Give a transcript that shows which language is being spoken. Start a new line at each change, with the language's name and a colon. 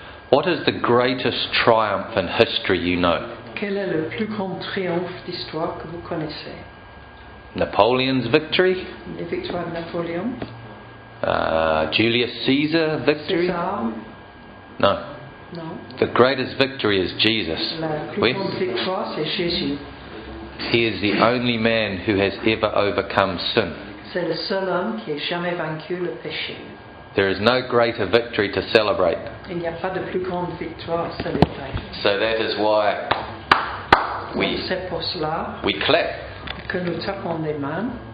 English: What is the greatest triumph in history you know?
French: Quel est le plus grand triomphe d'histoire que vous connaissez?
English: Napoleon's victory.
French: Les victoires de Napoléon.
English: Julius Caesar victory.
French: César.
English: No. No. The greatest victory is Jesus.
French: Jésus.
English: He is the only man who has ever overcome sin.
French: C'est le seul homme qui a jamais vaincu le péché.
English: There is no greater victory to celebrate.
French: Il n'y a pas de plus grande victoire à célébrer.
English: So that is why we clap.
French: Que nous tapons des mains.